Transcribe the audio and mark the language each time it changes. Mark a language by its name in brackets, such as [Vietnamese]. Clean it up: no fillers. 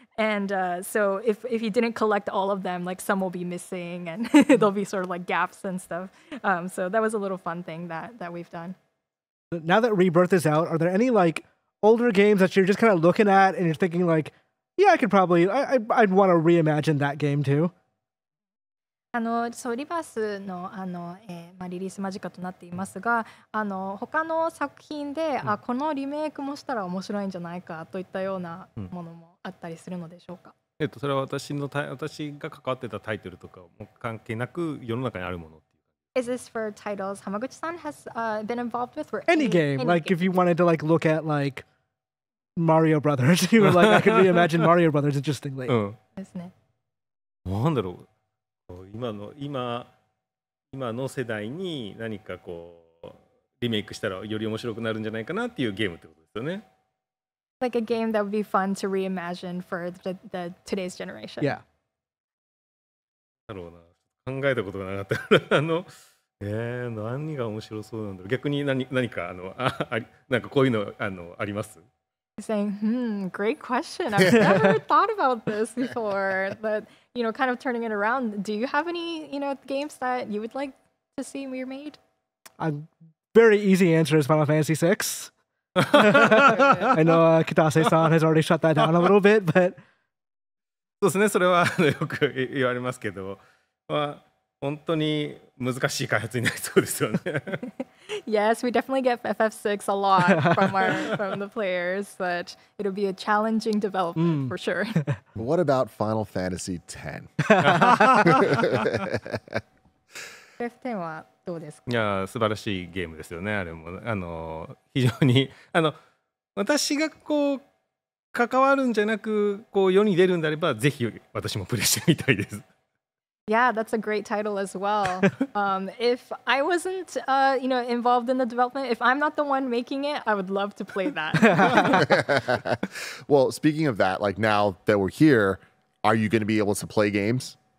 [English] And so if you didn't collect all of them, like some will be missing and there'll be sort of like gaps and stuff. So that was a little fun thing that we've done. Now that Rebirth is out, are there any like older games that you're just kind of looking at and you're thinking like, yeah, I could probably, I'd want to reimagine that game too? [Japanese] あのそうリバースの、 あの、まあ、リリース間近となっていますが、あの他の作品で、うん、あこのリメイクもしたら面白いんじゃないかといったようなものもあったりするのでしょうか、うん、それは私が関わってたタイトルとかも関係なく世の中にあるもの。 [English] Is this for titles Hamaguchi-san has been involved with? Or any game, any like game. If you wanted to like look at like Mario Brothers, you were like, I could reimagine Mario Brothers interestingly. [Japanese] ですね。なんだろう、今の世代に何かこうリメイクしたらより面白くなるんじゃないかなっていうゲームってことですよね。 [English] Like a game that would be fun to reimagine for the today's generation. Yeah. [Japanese] なるほどな。考えたことがなかったから何が面白そうなんだろう。逆に 何かあのなんかこういうの あります。 [English] Saying, great question. I've never thought about this before. But, you know, kind of turning it around, do you have any, you know, games that you would like to see remade? A very easy answer is Final Fantasy VI. I know Kitase-san has already shut that down a little bit, but... [Japanese] そうですね、それはよく言われますけど、まあ、本当に難しい開発になりそうですよね。 [English] Yes, we definitely get FF6 a lot from the players, but it'll be a challenging development for sure. What about Final Fantasy X? [Japanese] FF10 はどうですか？いや、素晴らしいゲームですよね。あれも、あの、非常に、あの、私がこう、関わるんじゃなく、こう、世に出るんであれば、ぜひ私もプレイしてみたいです。 [English] Yeah, that's a great title as well. If I wasn't, you know, involved in the development, if I'm not the one making it, I would love to play that. Well, speaking of that, like now that we're here, are you going to be able to play games?